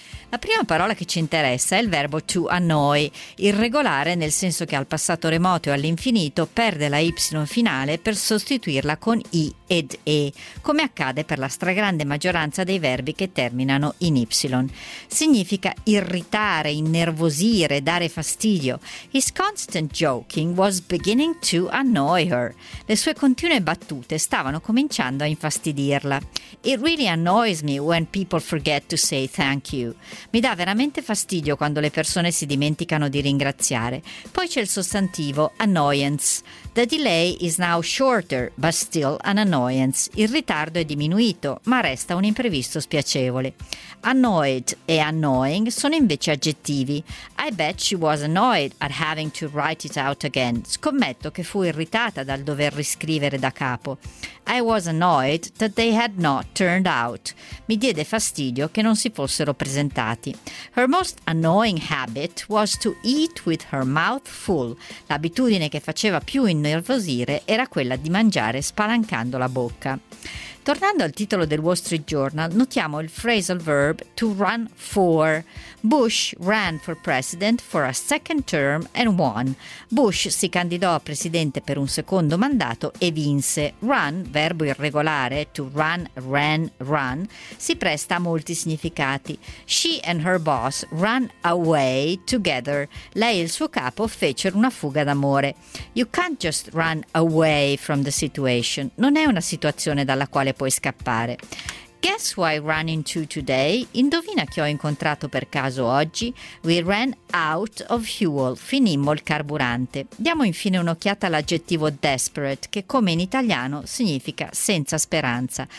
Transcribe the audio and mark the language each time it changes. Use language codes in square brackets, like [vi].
[it] La prima parola che ci interessa è il verbo to annoy, irregolare nel senso che al passato remoto e all'infinito perde la y finale per sostituirla con i ed e, come accade per la stragrande maggioranza dei verbi che terminano in y. Significa irritare, innervosire, dare fastidio. [en] His constant joking was beginning to annoy her. [it] Le sue continue battute stavano cominciando a infastidirla. [en] It really annoys me when people forget to say thank you. [it] Mi dà veramente fastidio quando le persone si dimenticano di ringraziare. Poi c'è il sostantivo annoyance. [en] The delay is now shorter, but still an annoyance. [it] Il ritardo è diminuito, ma resta un imprevisto spiacevole. Annoyed e annoying sono invece aggettivi. [en] I bet she was annoyed at having to write it out again. [it] Scommetto che fu irritata dal dover riscrivere da capo. [en] I was annoyed that they had not turned out. [it] Mi diede fastidio che non si fossero presentati. [en] Her most annoying habit was to eat with her mouth full. [it] L'abitudine che faceva più innervosire era quella di mangiare spalancando la bocca. Tornando al titolo del Wall Street Journal, notiamo il phrasal verb to run for. [en] Bush ran for president for a second term and won. [it] Bush si candidò a presidente per un secondo mandato e vinse. Run, verbo irregolare, to run, ran, run, si presta a molti significati. [en] She and her boss ran away together. [it] Lei e il suo capo fecero una fuga d'amore. [en] You can't just run away from the situation. [it] Non è una situazione dalla quale puoi scappare. [en] Guess who I ran into today? [it] Indovina chi ho incontrato per caso oggi? [en] We ran out of fuel. [it] Finimmo il carburante. Diamo infine un'occhiata all'aggettivo desperate, che come in italiano significa senza speranza.